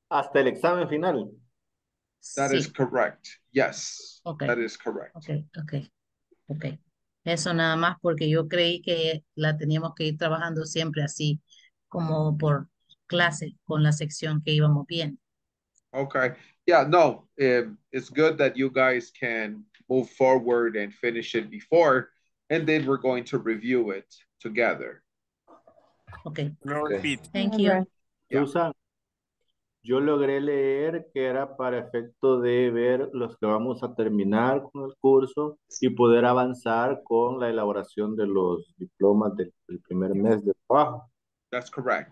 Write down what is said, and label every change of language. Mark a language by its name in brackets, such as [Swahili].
[Spanish] Hasta el examen final. [English] That sí. Is correct. Yes. Okay. That is correct. Okay. [Spanish] Eso nada más porque yo creí que la teníamos que ir trabajando siempre así, como por clase, con la sección que íbamos bien. [English] Okay. Yeah, no. It's good that you guys can move forward and finish it before, and then we're going to review it together. Okay. No repeat. Thank you. Yeah. [Spanish] Susan, yo logré leer que era para efecto de ver los que vamos a terminar con el curso y poder avanzar con la elaboración de los diplomas del primer mes de trabajo. [English] That's correct.